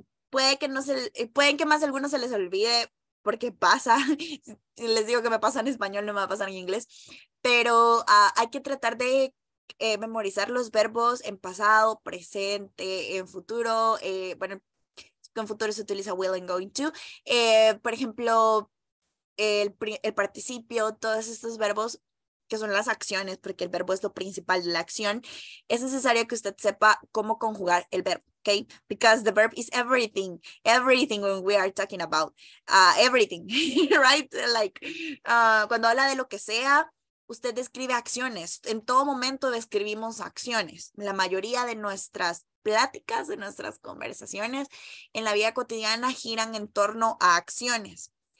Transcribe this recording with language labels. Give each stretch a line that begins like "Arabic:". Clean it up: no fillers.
Spanish: Pueden que más algunos se les olvide, porque pasa, les digo que me pasa en español, no me va a pasar en inglés, pero hay que tratar de memorizar los verbos en pasado, presente, en futuro. Bueno, con futuro se utiliza will and going to. Por ejemplo, el participio, todos estos verbos que son las acciones, porque el verbo es lo principal de la acción, es necesario que usted sepa cómo conjugar el verbo.
English: Okay, because the verb is everything when we are talking about everything, right?
Spanish: Like, cuando habla de lo que sea, usted describe acciones. En todo momento describimos acciones. La mayoría de nuestras pláticas, de nuestras conversaciones en la vida cotidiana giran en torno a acciones.